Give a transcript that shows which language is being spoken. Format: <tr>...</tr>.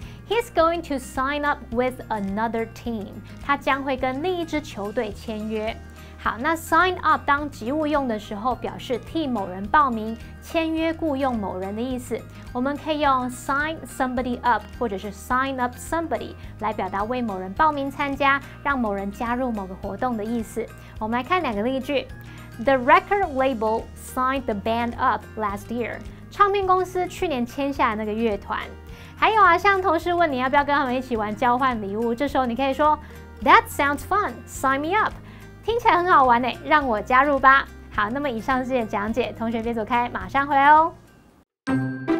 <en>He's going to sign up with another team.</en> <zh>他将会跟另一支球队签约。好，那 sign up 当及物用的时候，表示替某人报名、签约、雇用某人的意思。我们可以用 sign somebody up 或者是 sign up somebody 来表达为某人报名参加、让某人加入某个活动的意思。我们来看两个例句。</zh> <en>The record label signed the band up last year.</en> <zh>唱片公司去年签下那个乐团。还有啊，像同事问你要不要跟他们一起玩交换礼物，这时候你可以说</zh> <en>That sounds fun. Sign me up.</en> <zh>听起来很好玩耶，让我加入吧。好，那么以上是这些讲解，同学别走开，马上回来哦。</zh>